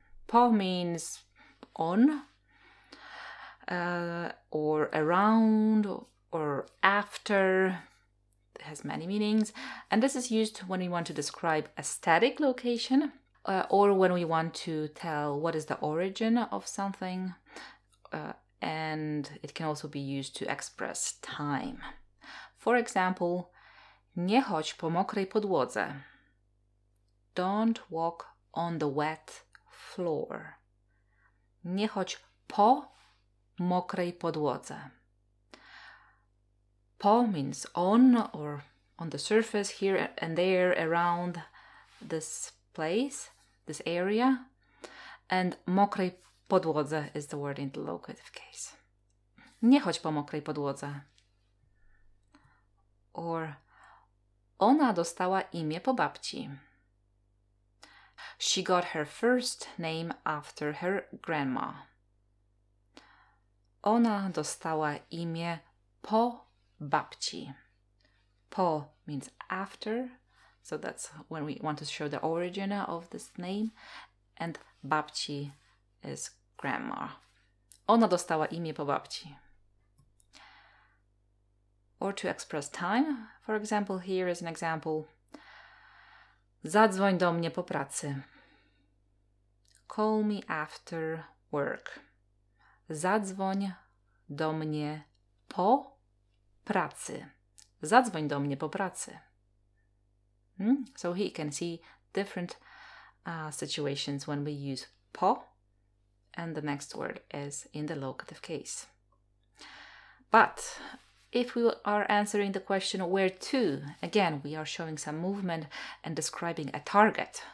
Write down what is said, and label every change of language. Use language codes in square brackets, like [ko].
[en] Po means on, or around, or after. It has many meanings. And this is used when we want to describe a static location, or when we want to tell what is the origin of something. And it can also be used to express time. For example, [pl] nie chodź po mokrej podłodze. [en] Don't walk on the wet floor. [pl] Nie chodź po mokrej podłodze. [en] Po means on or on the surface, here and there, around this place, this area. And [pl] mokrej podłodze [en] is the word in the locative case. [pl] Nie chodź po mokrej podłodze. Or ona dostała imię po babci. [en] She got her first name after her grandma. [pl] Ona dostała imię po babci. [en] Po means after, so that's when we want to show the origin of this name. And babci is grandma. [pl] Ona dostała imię po babci. [en] Or to express time, for example, here is an example. [pl] Zadzwoń do mnie po pracy. [en] Call me after work. [pl] Zadzwoń do mnie po pracy. Zadzwoń do mnie po pracy. [en] So here you can see different situations when we use po and the next word is in the locative case. But if we are answering the question where to, again, we are showing some movement and describing a target.